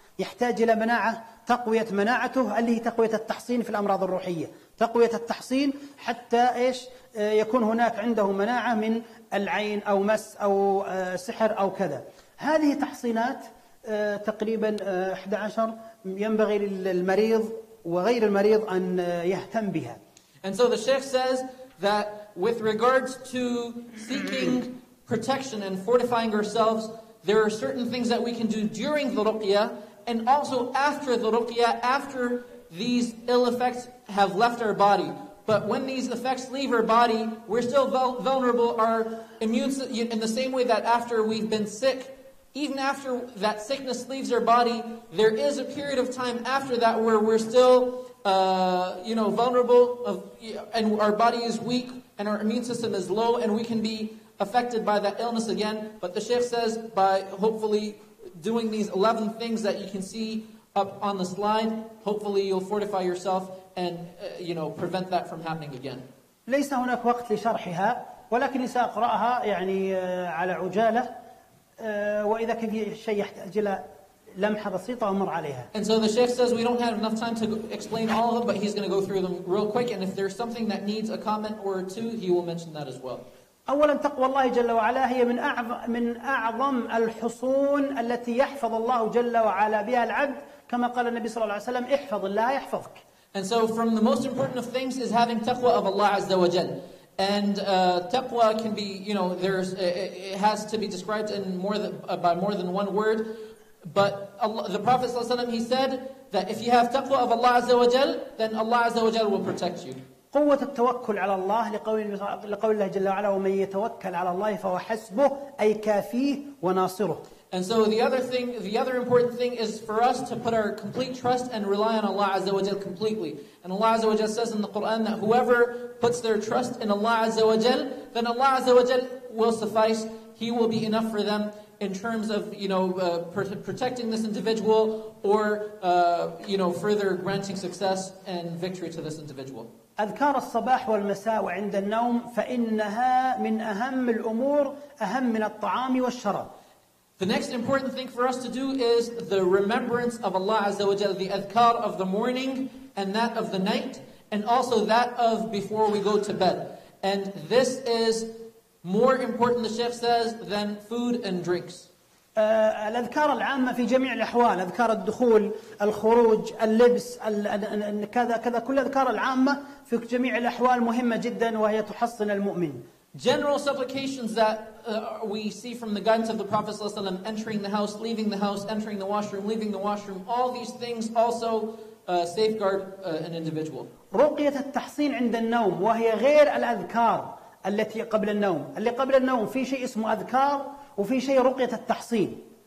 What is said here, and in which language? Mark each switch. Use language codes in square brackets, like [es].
[ar] يحتاج إلى مناعة تقوية مناعته اللي هي تقوية التحصين في الأمراض الروحية تقوية التحصين حتى إيش يكون هناك عنده مناعة من العين أو مس أو سحر أو كذا هذه تحصينات تقريبا 11 ينبغي للمريض وغير المريض أن يهتم بها. [en] And so the Sheikh says that with regards to seeking protection and fortifying ourselves, there are certain things that we can do during the ruqya and also after the ruqya, after these ill effects have left our body. But when these effects leave our body, we're still vulnerable. Our immune system, in the same way that after we've been sick, even after that sickness leaves our body, there is a period of time after that where we're still, vulnerable, and our body is weak, and our immune system is low, and we can be affected by that illness again. But the Sheikh says, by hopefully doing these 11 things that you can see up on the slide, hopefully you'll fortify yourself and prevent that from happening again. [ar] ليس هناك وقت لشرحها ولكن سأقرأها يعني على عجالة وإذا كان في شيء يحتاج إلى لمحة بسيطة أمر عليها. [en] And so the Sheikh says we don't have enough time to explain all of them, but he's going to go through them real quick. And if there's something that needs a comment or two, he will mention that as well. [ar] أولا تقوى الله جل وعلا هي من أعظم الحصون التي يحفظ الله جل وعلا بها العبد كما قال النبي صلى الله عليه وسلم احفظ الله يحفظك. [en] And so from the most important of things is having taqwa of Allah Azza wa Jal. And taqwa can be, it has to be described in more than one word. But Allah, the Prophet Sallallahu Alaihi Wasallam, he said that if you have taqwa of Allah Azza wa Jal, then Allah Azza wa Jal will protect you. [ar] قوة التوكل على الله لقول الله جل وعلا ومن يتوكل على الله فهو حسبه أي كافيه وناصره. [en] And so the other important thing is for us to put our complete trust and rely on Allah Azza wa Jal completely. And Allah Azza wa Jal says in the Quran that whoever puts their trust in Allah Azza wa Jal, then Allah Azza wa Jal will suffice. He will be enough for them in terms of protecting this individual or further granting success and victory to this individual. [ar] أذكار الصباح والمساء وعند النوم فإنها من أهم الأمور أهم من الطعام والشراب. [en] The next important thing for us to do is the remembrance of Allah Azza wa Jalla, the adhkar of the morning and that of the night, and also that of before we go to bed. And this is more important, the Sheikh says, than food and drinks. [ar] الأذكار العامة في جميع الأحوال، أذكار الدخول، الخروج، اللبس، كذا كل أذكار العامة في جميع الأحوال مهمة جدا وهي تحصن المؤمن. [en] General supplications that we see from the guidance of the Prophet Sallallahu Alaihi Wasallam, entering the house, leaving the house, entering the washroom, leaving the washroom, all these things also safeguard an individual. [ar] رقية التحصين عند النوم وهي غير الأذكار التي قبل النوم. اللي قبل النوم في شيء اسمه أذكار وفي شيء رقية التحصين.